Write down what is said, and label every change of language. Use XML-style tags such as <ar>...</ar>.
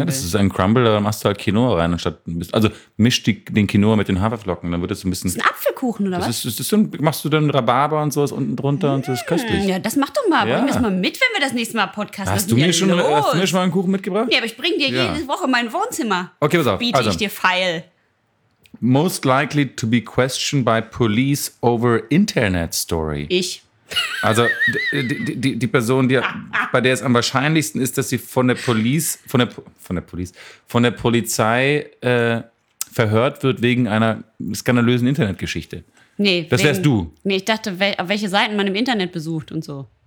<de>Ja, das ist ein Crumble, da machst du halt Quinoa rein. Also mischt den Quinoa mit den Haferflocken, dann wird es so ein bisschen... Das ist ein Apfelkuchen, oder das was? Das ist so ein, machst du dann Rhabarber und sowas unten drunter und so, ist köstlich. Ja, das mach doch mal. Ja. Bring das mal mit, wenn wir das nächste Mal podcasten. Hast du mir schon mal einen Kuchen mitgebracht? Ja, aber ich bring dir jede Woche mein Wohnzimmer. Okay, pass auf. Biete ich dir feil.</de> <en>Most likely to be questioned by police over internet story.</en> <de>Ich. Also die Person, bei der es am wahrscheinlichsten ist, dass sie von der Polizei verhört wird wegen einer skandalösen Internetgeschichte. Nee. Das wärst du. Nee, ich dachte, welche Seiten man im Internet besucht und so.</de>